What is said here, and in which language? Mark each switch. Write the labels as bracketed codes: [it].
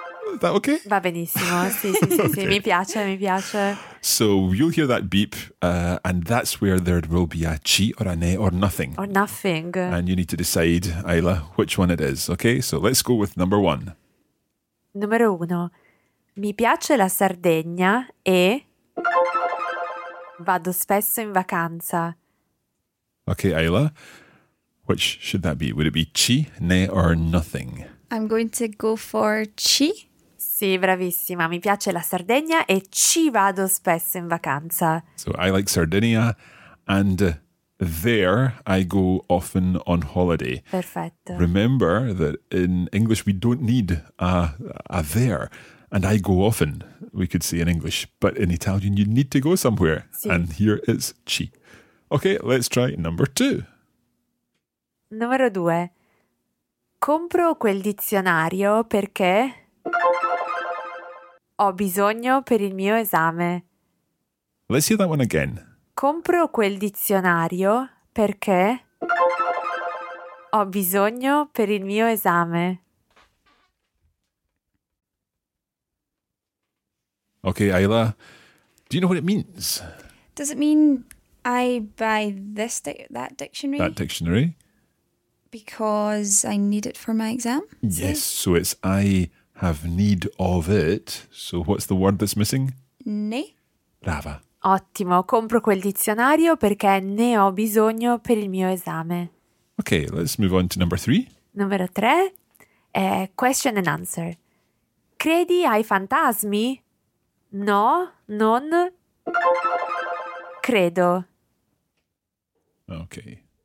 [en] Is that okay? [it] Va benissimo, sì, okay. mi piace. [en] So you'll hear that beep and that's where there will be a ci or a ne or nothing. Or nothing. And you need to decide, Ayla, which one it is, okay? So let's go with number one. [it] Numero uno. Mi piace la Sardegna e vado spesso in vacanza. [en] Okay, Ayla, which should that be? Would it be ci, ne or nothing? I'm going to go for ci. [it] Sì, bravissima. Mi piace la Sardegna e ci vado spesso in vacanza. [en] So I like Sardinia and there I go often on holiday. [it] Perfetto. [en] Remember that in English we don't need a there and I go often, we could say in English. But in Italian you need to go somewhere. [it] Sì. [en] And here it's ci. Okay, let's try number two. [it] Numero due. Compro quel dizionario perché ho bisogno per il mio esame. [en] Let's hear that one again. [it] Compro quel dizionario perché ho bisogno per il mio esame. [en] Okay, Ayla, do you know what it means? Does it mean I buy this that dictionary? That dictionary. Because I need it for my exam? Yes, see? So it's I have need of it. So what's the word that's missing? [it] Ne. Brava. Ottimo, compro quel dizionario perché ne ho bisogno per il mio esame. [en] Okay, let's move on to number three. [it] Numero tre, [en] question and answer. [it] Credi ai fantasmi? No, non credo. [en] Okay.